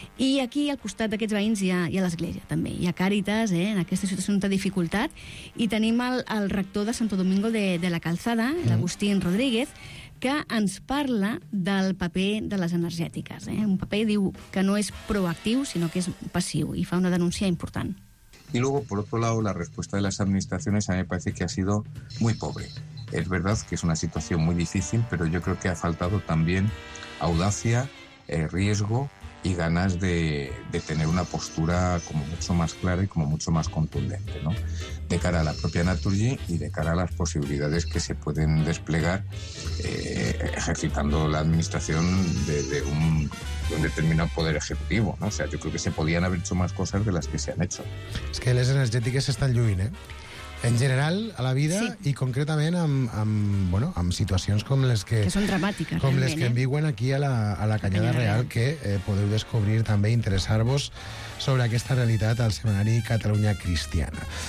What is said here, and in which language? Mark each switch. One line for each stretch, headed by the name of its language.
Catalan: I aquí, al costat d'aquests veïns, hi ha l'església, també. Hi ha Càritas, en aquesta situació de dificultat. I tenim el rector de Santo Domingo de la Calzada, l'Agustín Rodríguez, que ens parla del paper de les energètiques. Un paper, diu, que no és proactiu, sinó que és passiu, i fa una denúncia important.
Spanish: Y luego, por otro lado, la respuesta de las administraciones a mí me parece que ha sido muy pobre. Es verdad que es una situación muy difícil, pero yo creo que ha faltado también audacia, riesgo y ganas de tener una postura como mucho más clara y como mucho más contundente, ¿no? De cara a la propia Naturgy y de cara a las posibilidades que se pueden desplegar ejercitando la administración de un determinado poder ejecutivo, ¿no? O sea, yo creo que se podían haber hecho más cosas de las que se han hecho.
Catalan: Es que les energètiques estan lluint, ¿eh? En general, a la vida, sí. I concretament amb situacions com les que són dramàtiques, com les que viuen aquí a la Canyada Real, que podeu descobrir també, interessar-vos sobre aquesta realitat al Seminari Catalunya Cristiana.